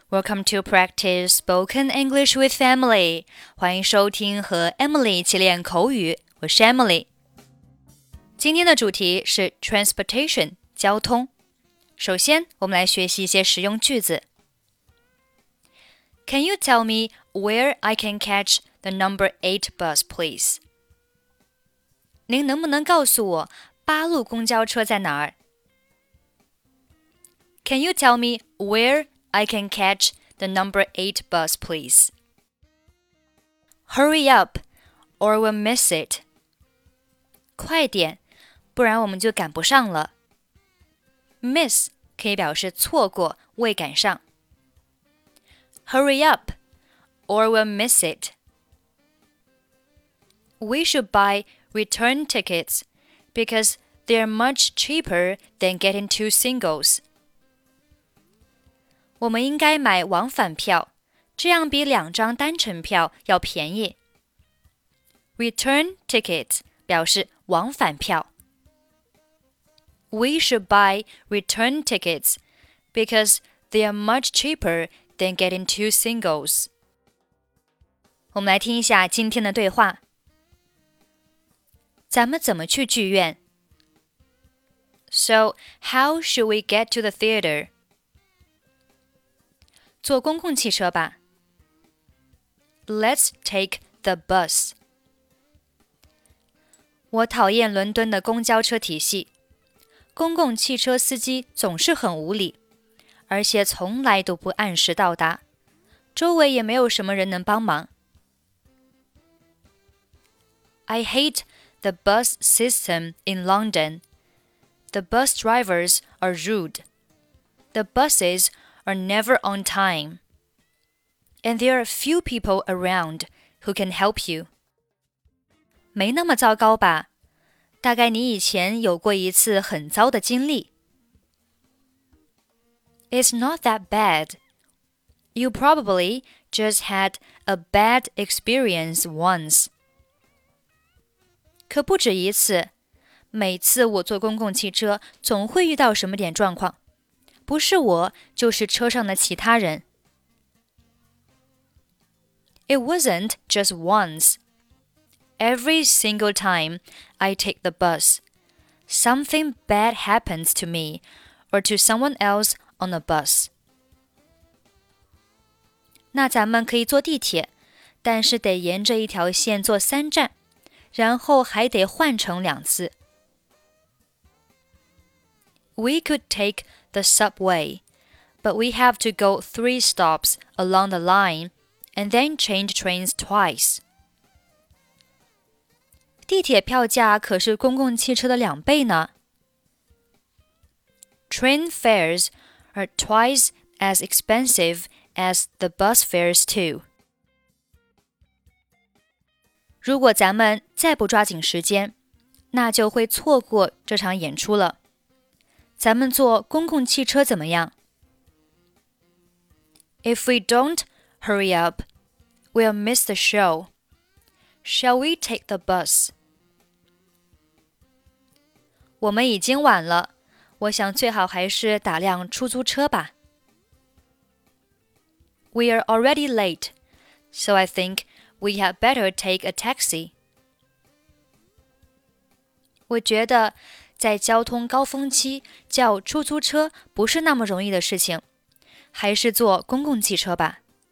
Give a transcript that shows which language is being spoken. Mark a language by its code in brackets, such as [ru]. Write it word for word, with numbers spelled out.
[en] Welcome to practice spoken English with Emily. [zh] 欢迎收听和 Emily 一起练口语。我是 Emily。今天的主题是 transportation 交通。首先，我们来学习一些实用句子。 [en] Can you tell me where I can catch the number eight bus, please? [zh] 您能不能告诉我八路公交车在哪儿？ [en] Can you tell me where I can catch the number eight bus, please? Hurry up, or we'll miss it. [zh] 快点，不然我们就赶不上了。Miss 可以表示错过，未赶上。 [en] Hurry up, or we'll miss it. We should buy return tickets because they're much cheaper than getting two singles. [zh] 我们应该买往返票，这样比两张单程票要便宜。 Return ticket 表示往返票。 [en] We should buy return tickets because they are much cheaper than getting two singles. [zh] 我们来听一下今天的对话。咱们怎么去剧院？ [en] So, how should we get to the theater? [zh] 坐公共汽车吧。 [en] Let's take the bus. [zh] 我讨厌伦敦的公交车体系。公共汽车司机总是很无理，而且从来都不按时到达。周围也没有什么人能帮忙。 [en] I hate the bus system in London. The bus drivers are rude. The buses are never on time. And there are few people around who can help you. [zh] 没那么糟糕吧？大概你以前有过一次很糟的经历。 [en] It's not that bad. You probably just had a bad experience once. [zh] 可不止一次，每次我坐公共汽车总会遇到什么点状况。不是我，就是车上的其他人。 [en] It wasn't just once. Every single time I take the bus, something bad happens to me or to someone else on the bus. [zh] 那咱们可以坐地铁，但是得沿着一条线坐三站，然后还得换乘两次。 [en] We could take the subway, but we have to go three stops along the line and then change trains twice. [zh] 地铁票价可是公共汽车的两倍呢。 [en] Train fares are twice as expensive as the bus fares too. [zh] 如果咱们再不抓紧时间，那就会错过这场演出了。咱们坐公共汽车怎么样？ [en] If we don't hurry up, we'll miss the show. Shall we take the bus? [zh] 我们已经晚了，我想最好还是打辆出租车吧。 [en] We are already late, so I think we had better take a taxi. [zh] 我觉得在交通高峰期叫出租车不是那么容易的事情，还是坐公共汽车吧。